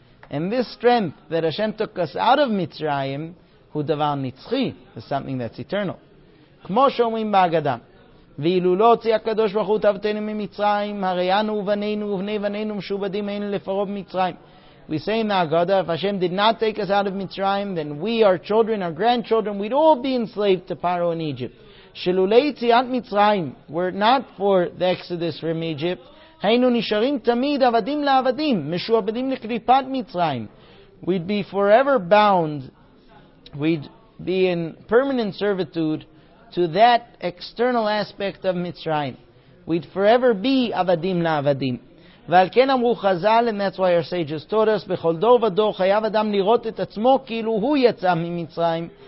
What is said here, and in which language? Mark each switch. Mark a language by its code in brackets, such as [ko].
[en] And this strength that Hashem took us out of Mitzrayim, who davar nitzchi, is something that's eternal. [he] כמו שאומרים בהגדה, ואילו לא הוציא הקדוש ברוך הוא תוותנו ממצרים, הרי אנו ובנינו ובני בנינו משובדים אין לפרעה במצרים. [en] We say in the Agada, if Hashem did not take us out of Mitzrayim, then we, our children, our grandchildren, we'd all be enslaved to Paro in Egypt. [he] שלולי יציאת מצרים, were not for the exodus from Egypt, היינו נשארים תמיד עבדים לעבדים, משובדים לקליפת מצרים. [en] We'd be forever bound, we'd be in permanent servitude, to that external aspect of Mitzrayim. We'd forever be avadim la'avadim. Ve'al ken amru chazal, and that's why our sages taught us, b'chol dor v'dor chayav adam lirot et atzmo kilu hu yatza mimitzrayim.